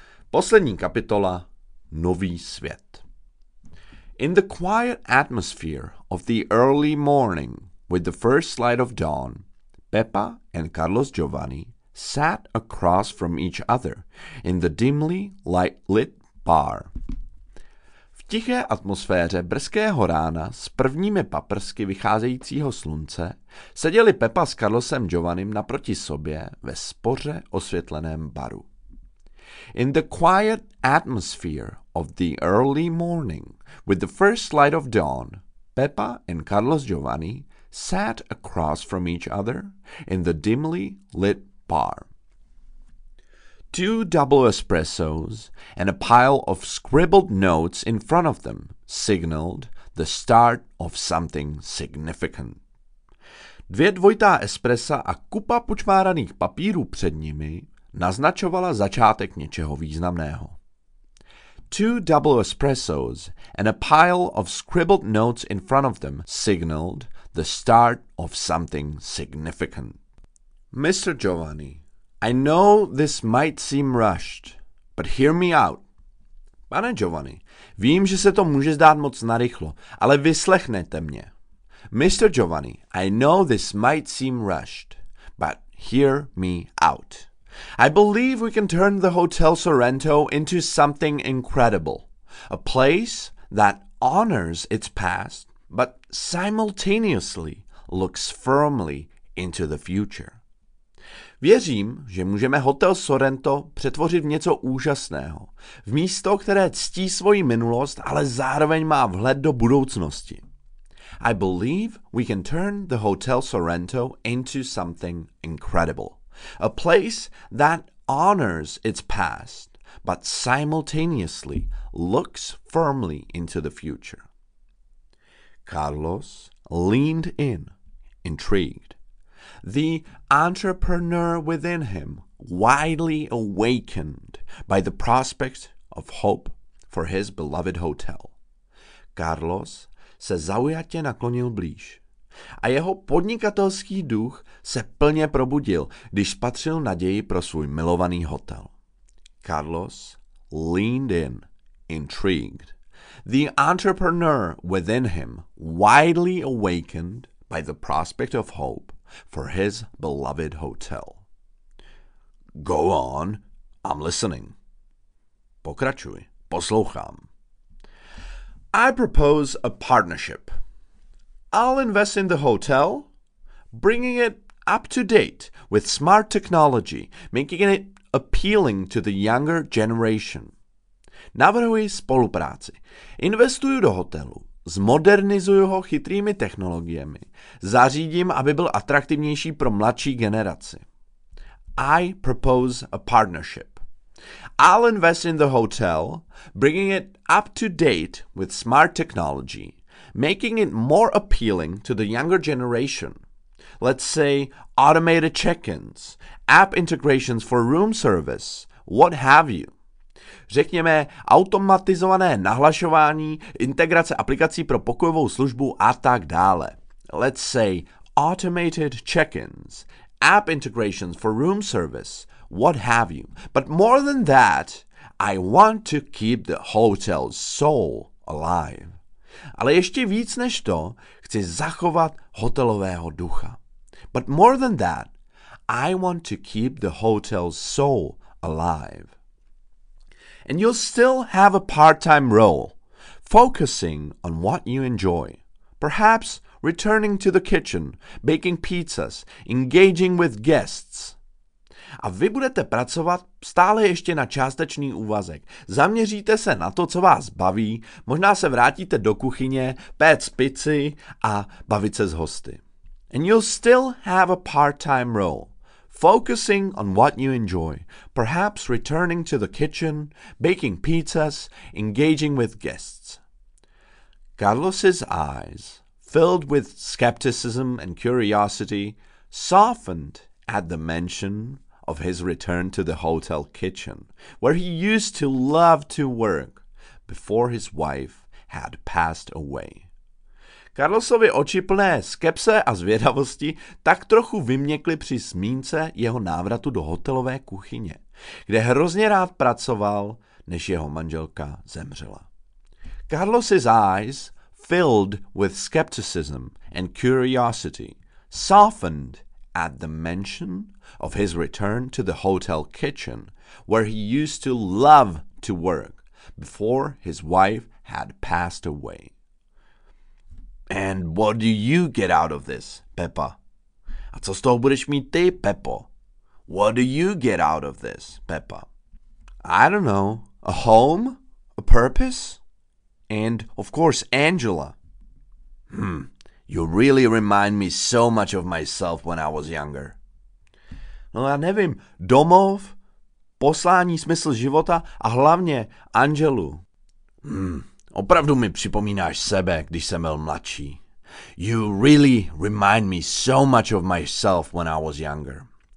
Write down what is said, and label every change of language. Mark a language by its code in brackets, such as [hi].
[cs] Poslední kapitola, nový svět. [en] In the quiet atmosphere of the early morning, with the first light of dawn, Pepa and Carlos Giovanni sat across from each other in the dimly light-lit bar. [cs] V tiché atmosféře brzkého rána s prvními paprsky vycházejícího slunce seděli Pepa s Carlosem Giovannim naproti sobě ve spoře osvětleném baru. [en] In the quiet atmosphere of the early morning, with the first light of dawn, Pepa and Carlos Giovanni sat across from each other in the dimly lit bar. Two double espressos and a pile of scribbled notes in front of them signaled the start of something significant. [cs] Dvě dvojitá espressa a kupa počmáraných papírů před nimi naznačovala začátek něčeho významného. [en] Two double espressos and a pile of scribbled notes in front of them signaled the start of something significant. Mr. Giovanni, I know this might seem rushed, but hear me out. [cs] Pane Giovanni, vím, že se to může zdát moc narychlo, ale vyslechnete mě. [en] Mr. Giovanni, I know this might seem rushed, but hear me out. I believe we can turn the Hotel Sorrento into something incredible. A place that honors its past, but simultaneously looks firmly into the future. [cs] Věřím, že můžeme Hotel Sorrento přetvořit v něco úžasného, v místo, které ctí svoji minulost, ale zároveň má vhled do budoucnosti. [en] I believe we can turn the Hotel Sorrento into something incredible. A place that honors its past, but simultaneously looks firmly into the future. Carlos leaned in, intrigued. The entrepreneur within him, widely awakened by the prospect of hope for his beloved hotel. [cs] Carlos se zaujatě naklonil blíž. A jeho podnikatelský duch se plně probudil, když spatřil naději pro svůj milovaný hotel. [en] Carlos leaned in, intrigued. The entrepreneur within him, widely awakened by the prospect of hope for his beloved hotel. Go on, I'm listening. [cs] Pokračuj, poslouchám. [en] I propose a partnership. I'll invest in the hotel, bringing it up to date with smart technology, making it appealing to the younger generation. [cs] Navrhuji spolupráci. Investuju do hotelu, zmodernizuju ho chytrými technologiemi, zařídím, aby byl atraktivnější pro mladší generaci. [en] I propose a partnership. I'll invest in the hotel, bringing it up to date with smart technology, making it more appealing to the younger generation. Let's say automated check-ins, app integrations for room service, what have you. [cs] Řekněme automatizované nahlašování, integrace aplikací pro pokojovou službu a tak dále. [en] Let's say automated check-ins, app integrations for room service, what have you. But more than that, I want to keep the hotel's soul alive. [cs] Ale ještě víc než to, chci zachovat hotelového ducha. [en] But more than that, I want to keep the hotel's soul alive. And you'll still have a part-time role, focusing on what you enjoy. Perhaps returning to the kitchen, baking pizzas, engaging with guests. [cs] A vy budete pracovat stále ještě na částečný úvazek. Zaměříte se na to, co vás baví, možná se vrátíte do kuchyně, péct pici a bavit se s hosty. [en] And you'll still have a part-time role, focusing on what you enjoy, perhaps returning to the kitchen, baking pizzas, engaging with guests. Carlos's eyes, filled with skepticism and curiosity, softened at the mention of his return to the hotel kitchen, where he used to love to work before his wife had passed away. [cs] Carlosovi oči plné skepse a zvědavosti tak trochu vyměkly při zmínce jeho návratu do hotelové kuchyně, kde hrozně rád pracoval, než jeho manželka zemřela. [en] Carlos's eyes, filled with skepticism and curiosity, softened at the mention of his return to the hotel kitchen, where he used to love to work before his wife had passed away. And what do you get out of this, Pepa? [cs] A co z toho budeš mít ty, Pepo? [en] What do you get out of this, Pepa? I don't know. A home? A purpose? And, of course, Angela. You really remind me so much of myself when I was younger. [cs] No já nevím, domov, poslání, smysl života a hlavně Angelu. Opravdu mi připomínáš sebe, když jsem byl mladší. [en] You really remind me so much of myself when I was younger.